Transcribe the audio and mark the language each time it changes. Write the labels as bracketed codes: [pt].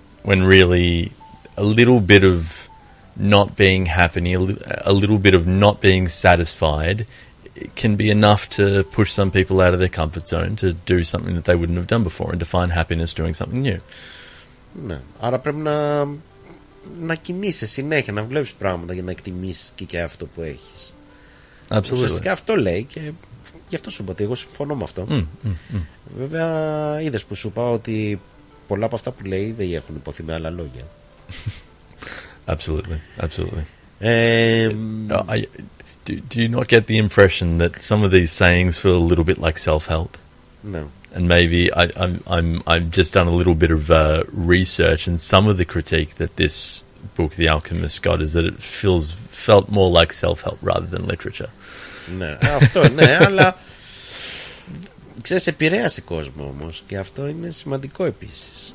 [en] When really, a little bit of not being happy, a little bit of not being satisfied, can be enough to push some people out of their comfort zone to do something that they wouldn't have done before and to find happiness doing something new. [el] Ναι. Άρα πρέπει να κινείσαι συνέχεια, να βλέπεις πράγματα για να εκτιμήσεις και αυτό που έχεις. [en] Absolutely. [el] Ουσιαστικά αυτό λέει και γι' αυτό σου είπα ότι εγώ συμφωνώ με αυτό. Βέβαια, είδες που σου είπα ότι πολλά από αυτά που λέει δεν έχουν υποθεί με άλλα λόγια. [en] Absolutely, absolutely. Do you not get the impression that some of these sayings feel a little bit like self-help? No. And maybe I've just done a little bit of research, and some of the critique that this book, The Alchemist, got is that it felt more like self-help rather than literature. [el] Ναι, αυτό ναι, αλλά ξέρεις, επηρέασε κόσμο όμως και αυτό είναι σημαντικό επίσης.